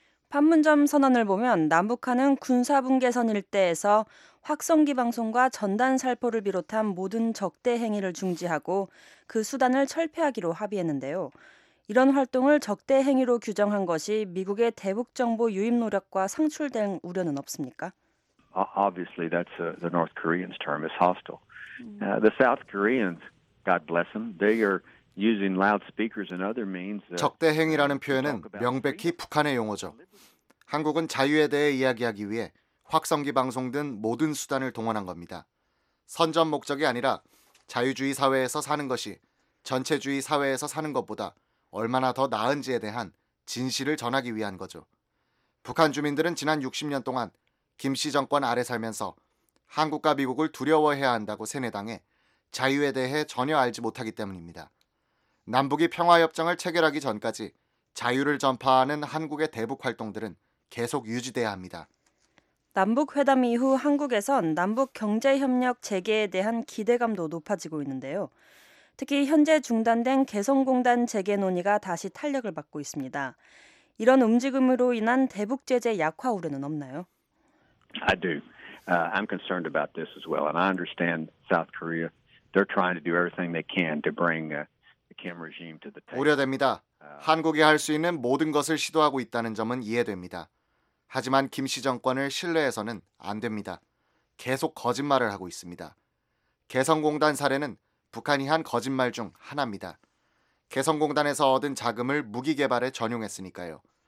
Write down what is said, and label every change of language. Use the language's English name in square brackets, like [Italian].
[Korean] 판문점 선언을 보면 남북한은 군사분계선 일대에서 확성기 방송과 전단 살포를 비롯한 모든 적대 행위를 중지하고 그 수단을 철폐하기로 합의했는데요. 이런 활동을 적대 행위로 규정한 것이 미국의 대북 정보 유입 노력과 상충된 우려는 없습니까? [English] Obviously, that's the North Koreans' term is hostile. The South Koreans, God bless them, they are using loudspeakers and other means. [Korean] 적대 행위라는 표현은 명백히 북한의 용어죠. 한국은 자유에 대해 이야기하기 위해 확성기 방송 등 모든 수단을 동원한 겁니다. 선전 목적이 아니라 자유주의 사회에서 사는 것이 전체주의 사회에서 사는 것보다 얼마나 더 나은지에 대한 진실을 전하기 위한 거죠. 북한 주민들은 지난 60년 동안 김씨 정권 아래 살면서 한국과 미국을 두려워해야 한다고 세뇌당해 자유에 대해 전혀 알지 못하기 때문입니다. 남북이 평화협정을 체결하기 전까지 자유를 전파하는 한국의 대북 활동들은 계속 유지돼야 합니다. 남북회담 이후 한국에선 남북경제협력 재개에 대한 기대감도 높아지고 있는데요. 특히 현재 중단된 개성공단 재개 논의가 다시 탄력을 받고 있습니다. 이런 움직임으로 인한 대북 제재 약화 우려는 없나요? [English] I do. I'm concerned about this as well. And I understand South Korea. They're trying to do everything they can to bring the Kim regime to the table. [Korean] 우려됩니다. 한국이 할 수 있는 모든 것을 시도하고 있다는 점은 이해됩니다. 하지만 김 씨 정권을 신뢰해서는 안 됩니다. 계속 거짓말을 하고 있습니다. 개성공단 사례는 북한이 한 거짓말 중 하나입니다. 개성공단에서 얻은 자금을 무기 개발에 전용했으니까요.